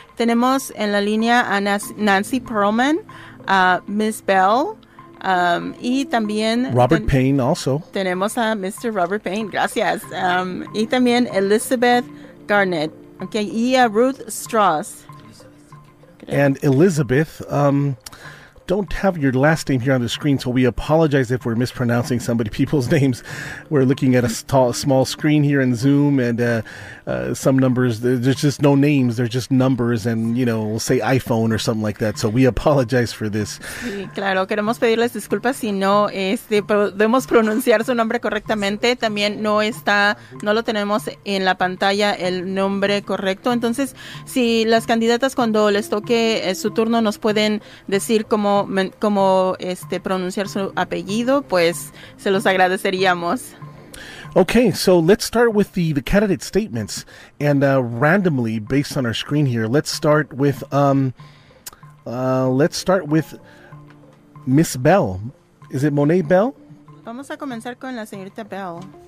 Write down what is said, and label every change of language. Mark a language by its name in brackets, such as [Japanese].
[Spanish] Tenemos en la línea a Nancy Perlman, Ms. Bell, y también [English] Robert Payne also. [Spanish] Tenemos a Mr. Robert Payne, gracias. Y también Elizabeth Garnett, okay, y a Ruth Strauss. [English] And Elizabeth, don't have your last name here on the screen, so we apologize if we're mispronouncing somebody, people's names. We're looking at a small screen here in Zoom, and some numbers, there's just no names, they're just numbers, and, you know, we'll say iPhone or something like that, so we apologize for this. [Spanish] Sí, claro, queremos pedirles disculpas si no podemos pronunciar su nombre correctamente. También no lo tenemos en la pantalla el nombre correcto. Entonces, si las candidatas, cuando les toque su turno, nos pueden decir cómo pronunciar su apellido, pues se los agradeceríamos. [English] Okay, so let's start with the candidate statements, and randomly, based on our screen here, let's start with Miss Bell. Is it Monet Bell? [Spanish] Vamos a comenzar con la señorita Bell.